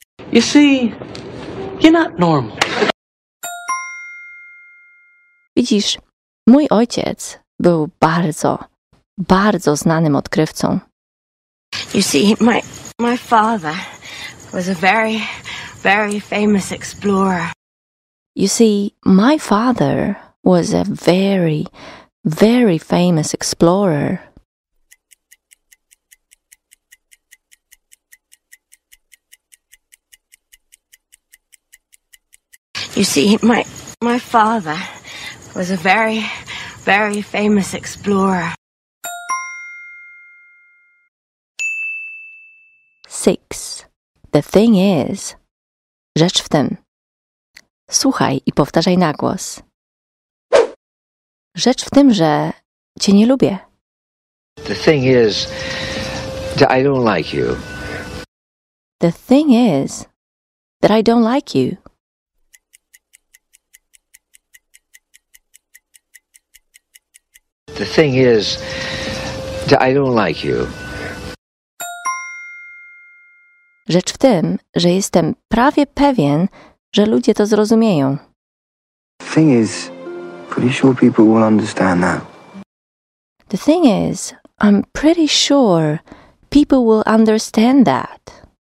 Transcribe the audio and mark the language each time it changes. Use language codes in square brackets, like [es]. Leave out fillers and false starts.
[en] You see, you're not normal. [pl] Widzisz, mój ojciec był bardzo, bardzo znanym odkrywcą. [en] You see, my father was a very, very famous explorer. You see, my father was a very, very famous explorer. You see, my father was a very, very famous explorer. 6. The thing is. [pl] Rzecz w tym. Słuchaj i powtarzaj na głos. Rzecz w tym, że cię nie lubię. [en] The thing is that I don't like you. The thing is that I don't like you. The thing is that I don't like you. [pl] Rzecz w tym, że jestem prawie pewien, że ludzie to zrozumieją. [en] The thing is, pretty sure people will understand that. The thing is, I'm pretty sure people will understand that.